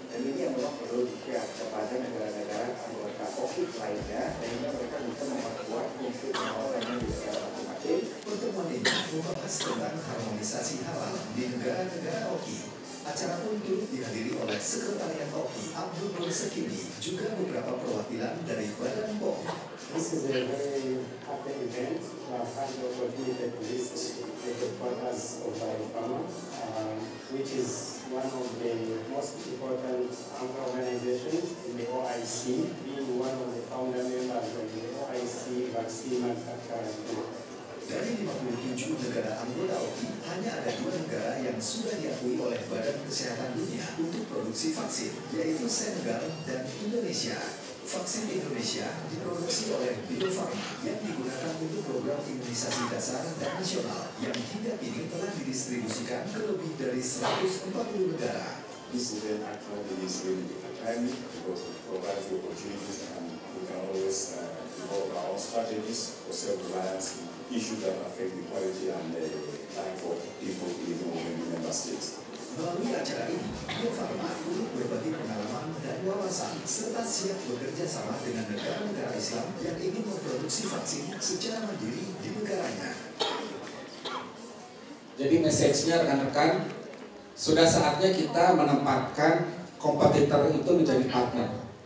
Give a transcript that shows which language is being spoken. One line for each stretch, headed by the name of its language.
Indonesian: Dan ini yang memang perlu di-share kepada negara-negara anggota COVID lainnya, sehingga mereka bisa memperkuat fungsi pengawasannya di negara masing-masing. Untuk membahas tentang harmonisasi halal di negara-negara OKI, acara pun turut dihadiri oleh Sekretariat OKI Abdul Nur Sekini, juga beberapa perwakilan dari Badan POM.
English: This is a very happy event. I had the opportunity to list the headquarters of BioPharma, which is one of the most important anchor organizations in the OIC, being one of the founder members of the OIC Vaccine Manufacturing Group.
Indonesian: Dari 57 negara anggota OKI, hanya ada 2 negara yang sudah diakui oleh Badan Kesehatan Dunia untuk produksi vaksin, yaitu Senegal dan Indonesia. Vaksin Indonesia diproduksi oleh Bio Farma yang digunakan untuk program imunisasi dasar dan nasional yang hingga kini telah didistribusikan ke lebih dari 140 negara.
English: This event actually is really timing because it provides the opportunities and we can always develop our strategies for self-reliance in issues that affect the quality and the life of people in the member states.
Indonesian: Melalui acara ini, Bio Farma turut berbagi pengalaman dan wawasan serta siap bekerja sama dengan negara-negara Islam yang ingin memproduksi vaksin secara mandiri di negaranya. Jadi message-nya rekan-rekan, sudah saatnya kita menempatkan kompetitor itu menjadi partner.